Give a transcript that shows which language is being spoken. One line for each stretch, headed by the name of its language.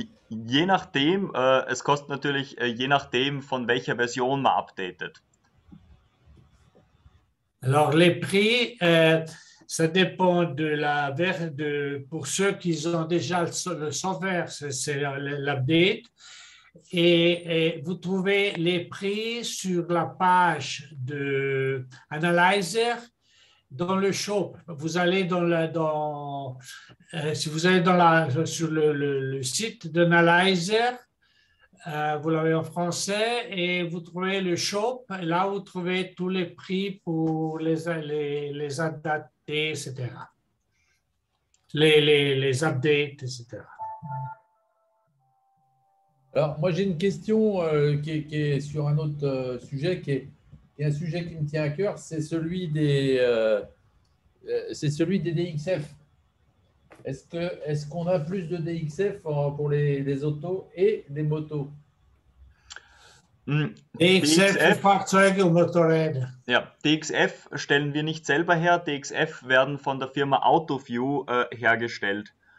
German: Je nachdem, es kostet natürlich, je nachdem, von welcher Version man updatet.
French: Alors, les prix, ça dépend de la version. Pour ceux qui ont déjà le software, c'est l'update. Et vous trouvez les prix sur la page de Analyzer dans le shop. Vous allez sur le site d'Analyzer, vous l'avez en français, et vous trouvez le shop. Là, vous trouvez tous les prix pour les adaptés, etc. Les updates, etc. Alors, moi, j'ai une question qui est sur un autre sujet, qui est un sujet qui me tient à cœur, c'est celui des DXF. Est-ce qu'on a plus de DXF pour les autos et les motos?
German: DXF Fahrzeuge und Motorräder. Ja, DXF stellen wir nicht selber her. DXF werden von der Firma AutoView hergestellt.